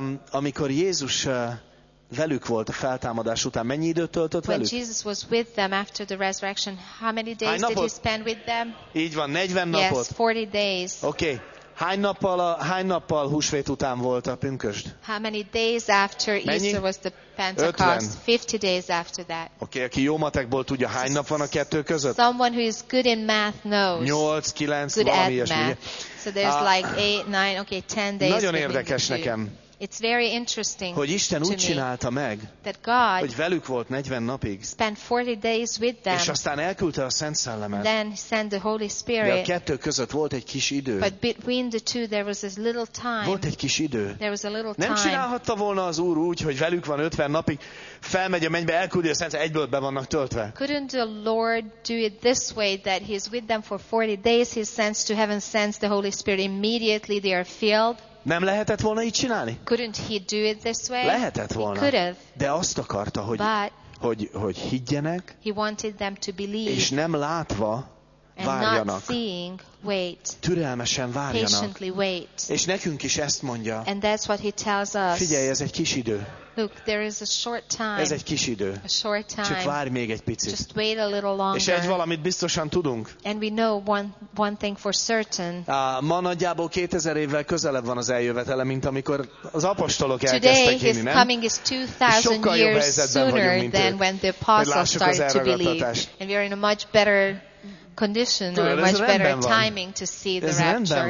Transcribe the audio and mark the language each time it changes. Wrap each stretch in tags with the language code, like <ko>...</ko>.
<hu>Amikor Jézus velük volt a feltámadás után, mennyi időt töltött velük?</hu> <en>When Jesus was with them after the resurrection, how many days did he spend with them?</en> <hu>Így van, 40 napot.</hu> <en>Yes, 40 days. Okay.</en> <hu>Hány nappal húsvét után volt a pünkösd?</hu> <en>How many days after</en> <hu>mennyi?</hu> <en>Easter was the Pentecost? 50 days after that.</en> <hu>Okay, aki jó matekból tudja, hány nap van a kettő között?</hu> <en>Someone who is good in math knows.</en> <hu>8, 9,</hu> <en>good</en> <hu>valami ilyesmi.</hu> <en>So there's like 8, 9, okay, 10 days.</en> <hu>Nagyon érdekes nekem.</hu> <en>It's very interesting.</en> <hu>Hogy Isten úgy csinálta meg,</hu> <en>that God,</en> <hu>hogy velük volt 40 napig.</hu> <en>Spent 40 days with them.</en> <hu>És aztán elküldte a Szent Szellemet.</hu> <en>Then he sent the Holy Spirit.</en> <hu>De a kettő között volt egy kis idő.</hu> <en>But between the two there was a little time.</en> <hu>Volt egy kis idő.</hu> <en>There was a little time.</en> <hu>Nem csinálhatta volna az Úr úgy, hogy velük van 50 napig, felmegy a mennybe, elküldi a Szent Szellemet, egyből be vannak töltve.</hu> <en>Couldn't the Lord do it this way, that he is with them for 40 days, he sends to heaven, sends the Holy Spirit, immediately they are filled?</en> <hu>Nem lehetett volna így csinálni?</hu> <en>Couldn't he do it this way?</en> <hu>Lehetett volna.</hu> <en>He could have.</en> <hu>De azt akarta, hogy hogy higgyenek.</hu> <en>He wanted them to believe.</en> <hu>És nem látva várjanak.</hu> <en>And not seeing, wait.</en> <hu>Türelmesen várjanak.</hu> <en>Patiently wait.</en> <hu>És nekünk is ezt mondja.</hu> <en>And that's what he tells us.</en> <hu>Figyelj, ez egy kis idő.</hu> <en>Look, there is a short time.</en> <hu>Ez egy kis idő.</hu> <en>A short time.</en> <hu>Csak várj még egy picit.</hu> <en>Just wait a little longer.</en> <hu>És egy valamit biztosan tudunk.</hu> <en>And we know one thing for certain.</en> <hu>Ma nagyjából 2000 évvel közelebb van az eljövetele, mint amikor az apostolok</hu> <en>today</en> <hu>elkezdtek hinni, nem?</hu> <en>Today, his coming is 2,000 years sooner than when the apostles started to believe. And we are in a much better condition or much better timing to see the rapture.</en>